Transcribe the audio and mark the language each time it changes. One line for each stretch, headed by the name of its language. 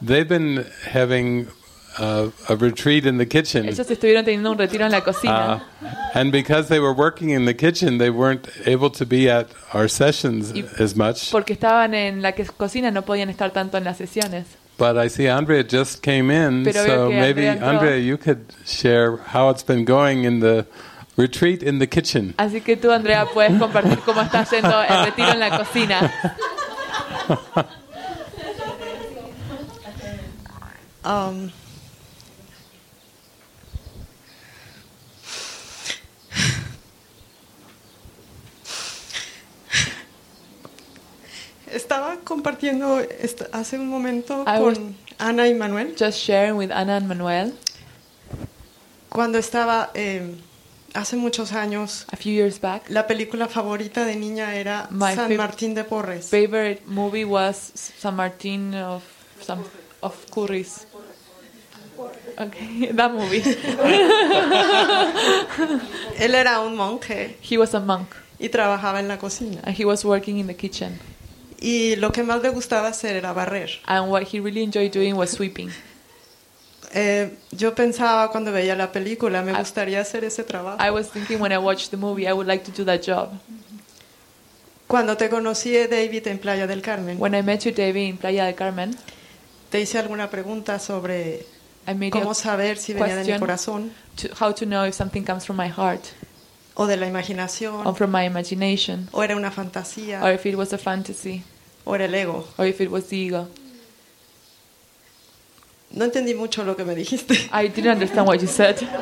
English: they've been having a retreat in the kitchen.
Spanish: Ellos estuvieron teniendo un retiro en la cocina.
English: And because they were working in the kitchen, they weren't able to be at our sessions as much.
Spanish: Porque estaban en la cocina, no podían estar tanto en las sesiones.
English: But I see Andrea just came in,
Spanish: pero
English: so maybe Andrea,
Spanish: entró.
English: You could share how it's been going in the retreat in the kitchen.
Spanish: Así que tú, Andrea, puedes compartir cómo está haciendo el retiro en la cocina. Estaba compartiendo hace un momento con Ana y Manuel.
English: Just sharing with Ana and Manuel.
Spanish: Cuando estaba hace muchos años,
English: a few years back,
Spanish: la película favorita de niña era San Martín de Porres.
English: Favorite movie was San Martín of Curris. Okay, that movie.
Spanish: Él era un monje.
English: He was a monk.
Spanish: Y trabajaba en la cocina.
English: And he was working in the kitchen.
Spanish: Y lo que más le gustaba hacer era barrer.
English: And what he really enjoyed doing was sweeping.
Spanish: Yo pensaba cuando veía la película, me gustaría hacer ese trabajo.
English: I was thinking when I watched the movie, I would like to do that job.
Spanish: Cuando te conocí, David, en Playa del Carmen.
English: When I met you, David, in Playa del Carmen.
Spanish: Te hice alguna pregunta sobre cómo saber si venía de mi corazón.
English: How to know if something comes from my heart.
Spanish: O de la imaginación.
English: Or from my imagination.
Spanish: O era una fantasía.
English: Or if it was a fantasy.
Spanish: O era el ego.
English: Or if it was the ego.
Spanish: No entendí mucho lo que me dijiste.
English: I didn't understand what you said.